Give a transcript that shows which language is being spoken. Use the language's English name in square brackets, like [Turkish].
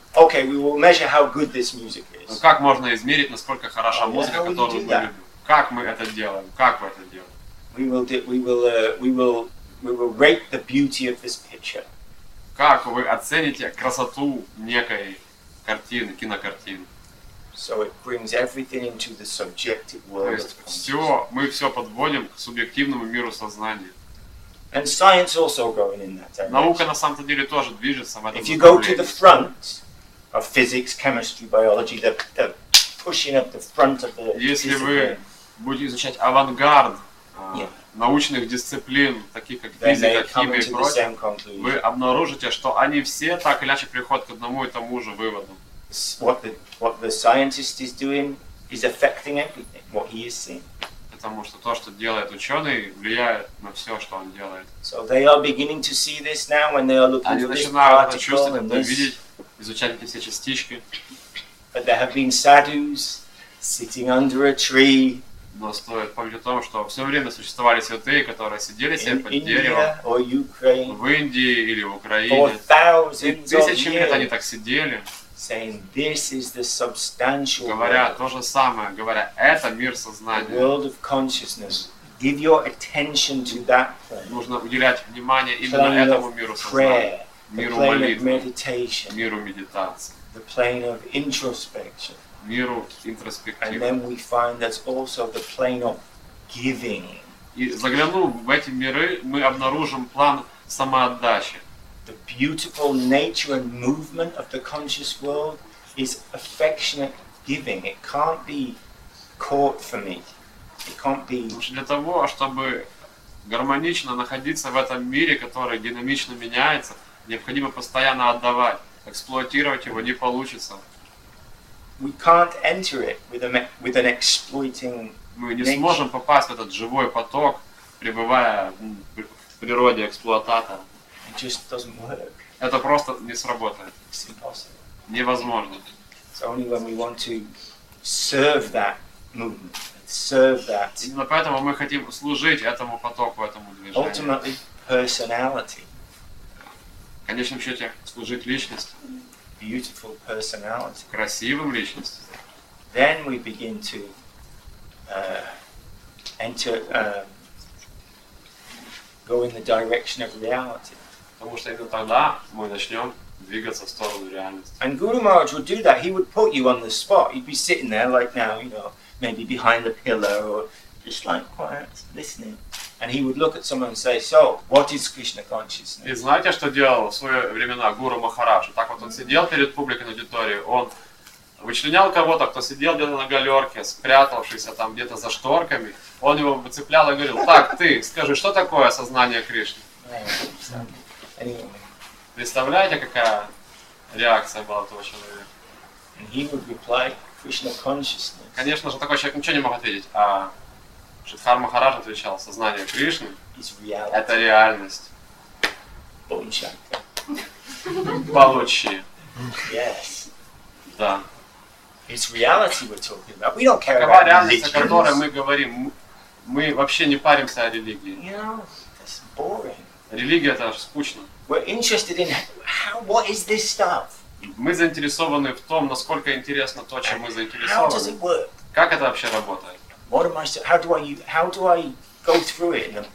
[English] Okay, we will measure how good this music is. [Russian] Но как можно измерить, насколько хороша музыка, которую мы любим? Как мы это делаем? Как вы это делаете? [English] We will rate the beauty of this picture. [Russian] Как вы оцените красоту некой картины, кинокартины? [English] So it brings everything into the subjective world. [Russian] То есть все, мы все подводим к субъективному миру сознания. [English] And science also going in that direction. [Russian] Наука на самом-то деле тоже движется в этом направлении. [English] If you go to the front of physics, chemistry, biology, the pushing up the front of the discipline. [Russian] Если вы будете изучать авангард научных дисциплин, таких как физика, химия и прочее, вы обнаружите, что они все так или иначе приходят к одному и тому же выводу. [English] What the scientist is doing is affecting everything, what he is seeing. [Russian] Потому что то, что делает ученый, влияет на все, что он делает. [English] So they are beginning to see this now when they are looking at this particle and this. [Russian] Видеть, изучать эти все частички. [English] But there have been sadhus sitting under a tree. [Russian] Но стоит помнить о том, что все время существовали святые, которые сидели себе под деревом. В Индии или в Украине. Тысячи лет они так сидели. [English] Saying this is the substantial. [Russian] Говоря то же самое, говоря, это мир сознания. [English] World of consciousness. Give your attention to that. [Russian] Нужно уделять внимание именно этому миру сознания, миру молитвы, [English] meditation, [Russian] миру медитации, [English] the plane of introspection, [Russian] миру интроспектива. [English] And then we find that's also the plane of giving. [Russian] И заглянув в эти миры, мы обнаружим план самоотдачи. [English] The beautiful nature and movement of the conscious world is affectionate giving. It can't be caught for me. It can't be. [Russian] Для того, чтобы гармонично находиться в этом мире, который динамично меняется, необходимо постоянно отдавать. Эксплуатировать его не получится. [English] We can't enter it with an exploiting nature. [Russian] Мы не сможем попасть в этот живой поток, пребывая в природе эксплуататора. [English] It just doesn't work. [Russian] Это просто не сработает. [English] It's impossible. [Russian] Невозможно. [English] It's only when we want to serve that movement, serve that. [Russian] Именно поэтому мы хотим служить этому потоку, этому движению. [English] Ultimately, personality. [Russian] В конечном счете, служить личности. [English] Beautiful personality. [Russian] Красивым личности. [English] Then we begin to enter, go in the direction of reality. [Russian] Потому что именно тогда мы начнем двигаться в сторону реальности. [English] And Guru Maharaj would do that. He would put you on the spot. You'd be sitting there like now, you know, maybe behind the pillar or just like quiet, listening. And he would look at someone and say, so, what is Krishna consciousness? [Russian] И знаете, что делал в свои времена Гуру Махарадж? Так вот он сидел перед публикой на аудитории. Он вычленял кого-то, кто сидел где-то на галерке, спрятавшись там где-то за шторками. Он его выцеплял и говорил, так, ты, скажи, что такое сознание Кришны? [English] Anyway. [Russian] Представляете, какая реакция была у этого человека? [English] And he would reply, Krishna consciousness. [Russian] Конечно же, такой человек ничего не мог ответить, а Шридхар Махарадж отвечал, сознание Кришны – это реальность. Получай. Получи. [English] Yes. [Russian] Да. [English] It's reality we're talking about. We don't care [Russian] какова [English] about [Russian] реальность, о которой мы говорим? Мы вообще не паримся о религии. [English] You know, that's boring. [Russian] Религия – это аж скучно. [English] We're interested in how, what is this stuff? [Russian] Мы заинтересованы в том, насколько интересно то, чем мы заинтересованы. [English] How does it work? [Russian] Как это вообще работает? [English] What am I, how do I go through it?